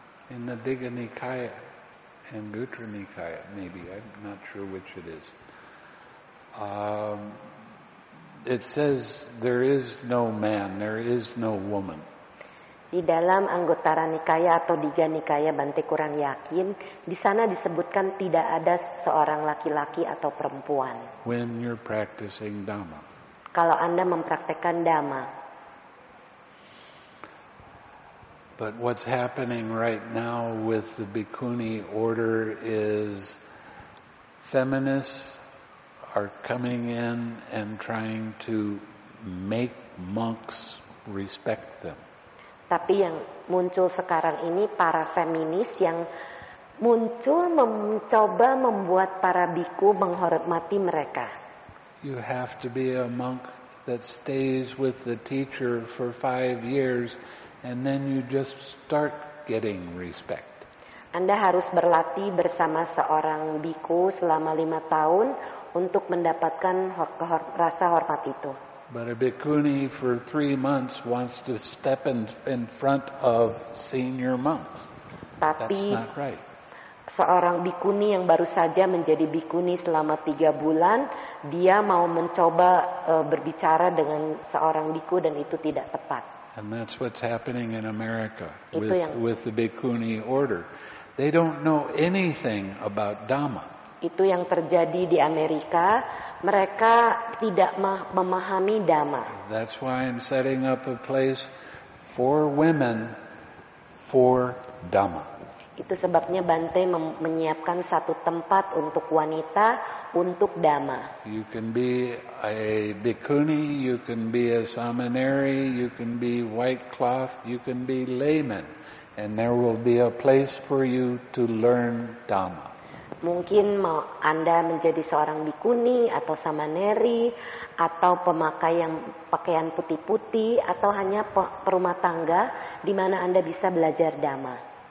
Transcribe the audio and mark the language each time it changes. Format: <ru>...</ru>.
<en>In the Digha Nikaya and Guttara Nikaya, maybe, I'm not sure which it is. It says there is no man, there is no woman.</en> <id>Di dalam Anguttara Nikaya atau Digha Nikaya, Bante kurang yakin, di sana disebutkan tidak ada seorang laki-laki atau perempuan.</id> <en>When you're practicing Dhamma.</en> <id>Kalau Anda mempraktekkan Dhamma.</id> <en>But what's happening right now with the bhikkhuni order is feminists are coming in and trying to make monks respect them.</en> <id>Tapi yang muncul sekarang ini para feminis yang muncul mencoba membuat para bhikkhu menghormati mereka.</id> <en>You have to be a monk that stays with the teacher for 5 years. And then you just start getting respect.</en> <id>Anda harus berlatih bersama seorang bhikkhu selama 5 tahun untuk mendapatkan rasa hormat itu.</id> <en>But a bhikkhuni for 3 months wants to step in front of senior monks.</en> <id>Tapi</id> <en>that's not right.</en> <id>Seorang bhikkhuni yang baru saja menjadi bhikkhuni selama 3 bulan, dia mau mencoba berbicara dengan seorang bhikkhu dan itu tidak tepat.</id> <en>And that's what's happening in America with the bhikkhuni order. They don't know anything about Dhamma.</en> <id>Itu yang terjadi di Amerika. Mereka tidak memahami Dhamma.</id> <en>That's why I'm setting up a place for women for Dhamma.</en> <id>Itu sebabnya Bante menyiapkan satu tempat untuk wanita untuk Dhamma.</id> <en>You can be a bhikkhuni, you can be a seminary, you can be white cloth, you can be layman, and there will be a place for you to learn Dhamma.</en> <id>Mungkin mau Anda menjadi seorang bhikkhuni atau samaneri atau pemakai yang pakaian putih-putih atau hanya perumah tangga di mana Anda bisa belajar Dhamma.</id>